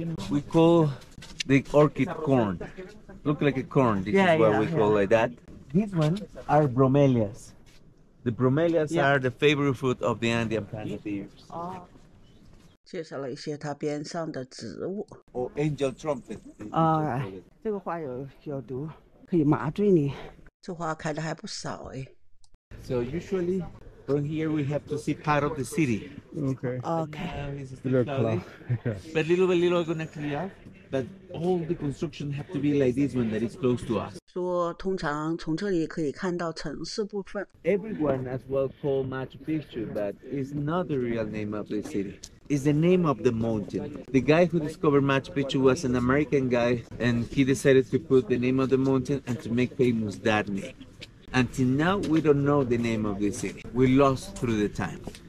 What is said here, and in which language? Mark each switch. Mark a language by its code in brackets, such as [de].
[en] We call the orchid corn. Look like a corn. This is what we call like that. These ones are bromelias. The bromelias are the favorite food of the Andean planeteers. [zh] 介绍了一些它边上的植物。 [en] Oh, angel trumpet. [zh] 这个花有毒，可以麻醉你。这花开的还不少哎。 [en] So usually. From here we have to see part of the city. Okay. Okay. A little cloudy. But little by little we're going to clear up. But all the construction have to be like this one that is close to us. [zh] 说通常从这里可以看到城市部分。 [en] Everyone as well call Machu Picchu, but it's not the real name of the city. It's the name of the mountain. The guy who discovered Machu Picchu was an American guy, and he decided to put the name of the mountain and to make famous that name. Until now, we don't know the name of the city. We lost through the time.